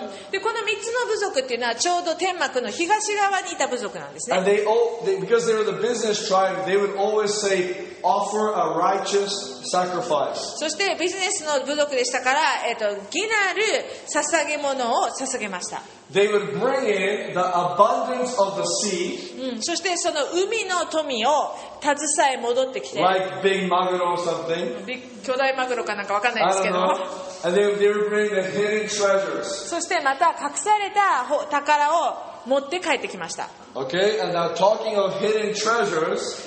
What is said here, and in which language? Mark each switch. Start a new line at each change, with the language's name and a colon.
Japanese: でこの3つの部族っていうのはちょうど天幕の東側にいた部族なんですね。
English: And they all, they, because they were the business tribe, they would always say, offer a righteous sacrifice.
Japanese: そしてビジネスの部族でしたから、義なる捧げ物を捧げました。
English: They would bring in the abundance of the sea.
Japanese: そしてその海の富を携え戻ってきて。
English: Like big maguro or something.
Japanese: 巨大マグロかなんか分かんないですけど。
English: And they would bring the hidden treasures.
Japanese: そしてまた隠された宝を持って帰ってきました。
English: Okay, and now talking of hidden treasures.